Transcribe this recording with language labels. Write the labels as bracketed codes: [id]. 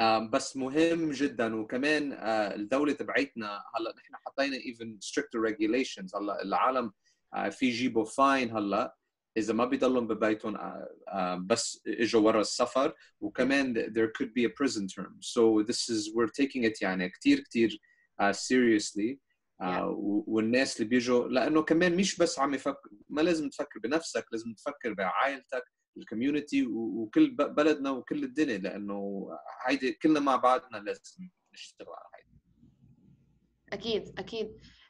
[ar] بس مهم جدا، وكمان الدولة تبعيتنا هلا نحن حطينا [en] even stricter regulations. [ar] هلا العالم في جيبوا فاين هلا إذا ما بيضلهم ببيتهم بس إجوا ورا السفر، وكمان [en] there could be a prison term. So this is we're taking it [ar] يعني كتير كتير [en] seriously. [ar] والناس اللي بيجوا، لأنه كمان مش بس عم يفكر، ما لازم تفكر بنفسك، لازم تفكر بعائلتك، الكوميونتي، وكل بلدنا وكل الدنيا، لأنه هيدي كلنا مع بعضنا لازم نشتغل على هيدا. أكيد أكيد.